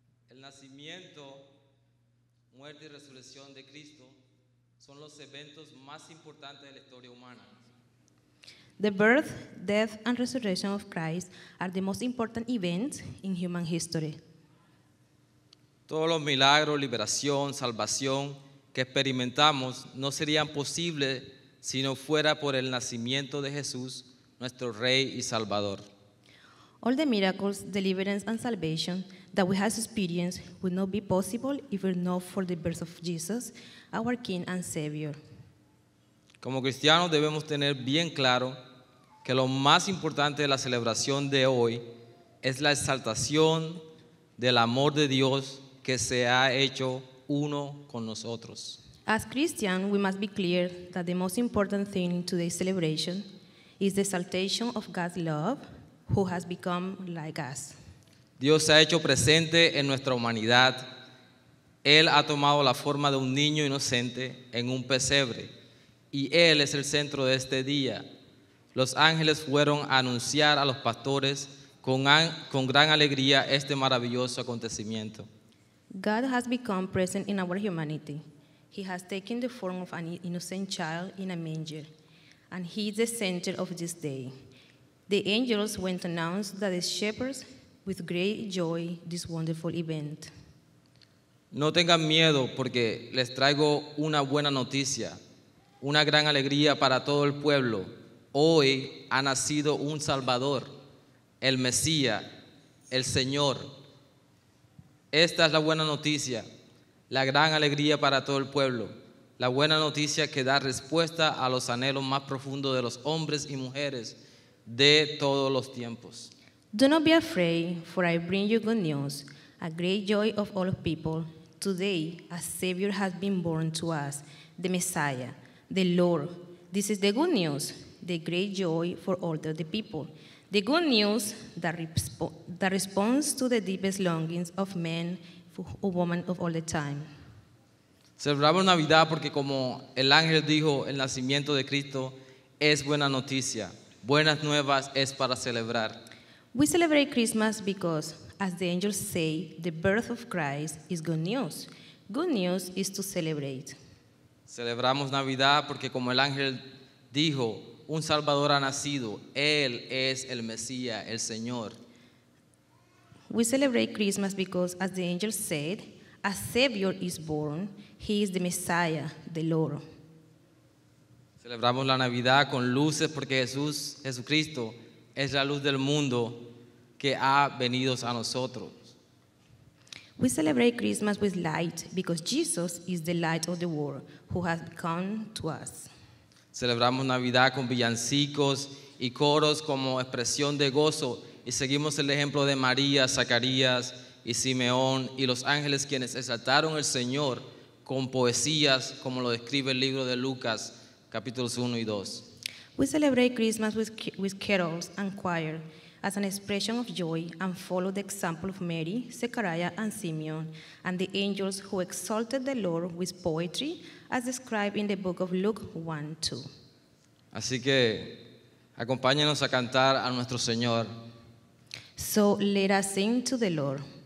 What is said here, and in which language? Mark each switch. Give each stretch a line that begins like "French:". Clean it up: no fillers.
Spanish: El nacimiento, muerte y resurrección de Cristo son los eventos más importantes de la historia humana.
English: The birth, death, and resurrection of Christ are the most important events in human history.
Spanish: Todos los milagros, liberación, salvación que experimentamos no serían posibles si no fuera por el nacimiento de Jesús, nuestro Rey y Salvador.
English: All the miracles, deliverance, and salvation that we have experienced would not be possible if it were not for the birth of Jesus, our King and Savior.
Spanish: Como cristianos debemos tener bien claro que lo más importante de la celebración de hoy es la exaltación del amor de Dios que se ha hecho uno con nosotros.
English: As Christians, we must be clear that the most important thing in today's celebration is the exaltation of God's love, who has become like us.
Spanish: Dios se ha hecho presente en nuestra humanidad. Él ha tomado la forma de un niño inocente en un pesebre, y Él es el centro de este día. Los ángeles fueron a anunciar a los pastores con gran alegría este maravilloso acontecimiento.
English: God has become present in our humanity. He has taken the form of an innocent child in a manger, and he is the center of this day. The angels went to announce that the shepherds with great joy this wonderful event.
Spanish: No tengan miedo, porque les traigo una buena noticia, una gran alegría para todo el pueblo. Hoy ha nacido un Salvador, el Mesías, el Señor. Esta es la buena noticia, la gran alegría para todo el pueblo, la buena noticia que da respuesta a los anhelos más profundos de los hombres y mujeres de todos los tiempos.
English: Do not be afraid, for I bring you good news, a great joy of all people. Today, a Savior has been born to us, the Messiah, the Lord. This is the good news, the great joy for all the people. The good news that responds to the deepest longings of men or women of all the time.
Spanish: Celebramos Navidad porque, como el ángel dijo, el nacimiento de Cristo es buena noticia. Buenas nuevas es para celebrar.
English: We celebrate Christmas because, as the angels say, the birth of Christ is good news. Good news is to celebrate.
Spanish: Celebramos Navidad porque, como el ángel dijo, un Salvador ha nacido. Él es el Mesías, el Señor.
English: We celebrate Christmas because, as the angel said, a Savior is born. He is the Messiah, the Lord.
Spanish: Celebramos la Navidad con luces porque Jesús, Jesucristo, es la luz del mundo que ha venido a nosotros.
English: We celebrate Christmas with light because Jesus is the light of the world who has come to us.
Spanish: Celebramos Navidad con villancicos y coros como expresión de gozo y seguimos el ejemplo de María, Zacarías y Simeón y los ángeles quienes exaltaron al Señor con poesías como lo describe el libro de Lucas, capítulos 1 y 2.
English: We celebrate Christmas with carols and choir as an expression of joy and follow the example of Mary, Zechariah, and Simeon, and the angels who exalted the Lord with poetry as described in the book of Luke 1:2.
Spanish: Así que, acompáñenos a cantar a nuestro Señor.
English: So let us sing to the Lord.